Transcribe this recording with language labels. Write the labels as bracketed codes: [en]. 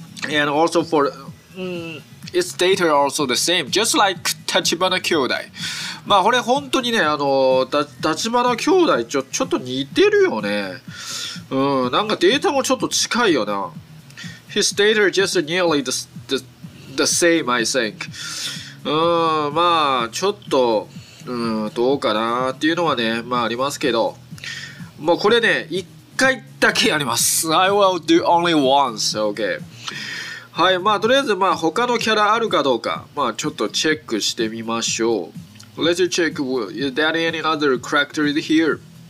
[en] And also for its data also the same, just like 立花兄弟。 [ja] まあこれ本当にね、立花兄弟ちょっと似てるよね。なんかデータもちょっと近いよな。 [en] His data is just nearly the same, I think. [ja] まあちょっと、どうかなっていうのはね、まあありますけど。もうこれね、一回だけあります。 [en] I will do only once, okay. [ja] はい、まあとりあえずまあ他のキャラあるかどうか、まあちょっとチェックしてみましょう。 [en] Let's check, is there any other characters here?